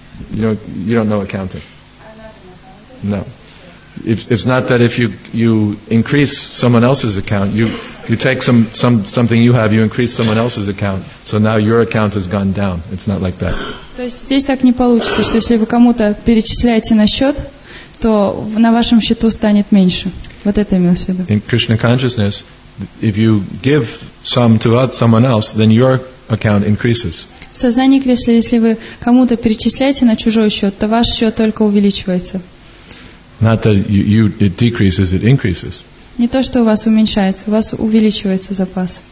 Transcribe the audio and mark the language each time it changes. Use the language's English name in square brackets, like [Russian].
[English] You don't know accounting. No. It's not that if you increase someone else's account, you take something you have, you increase someone else's account, so now your account has gone down. It's not like that. [Russian] То есть здесь так не получится, что если вы кому-то перечисляете на счет, то на вашем счету станет меньше. Вот это имелось в виду. [English] In Krishna consciousness, if you give some to someone else, then your account increases. [Russian] В сознании Кришны, если вы кому-то перечисляете на чужой счет, то ваш счет только увеличивается. [English] Not that you it decreases, it increases. [Russian] Не то, что у вас уменьшается, у вас увеличивается запас.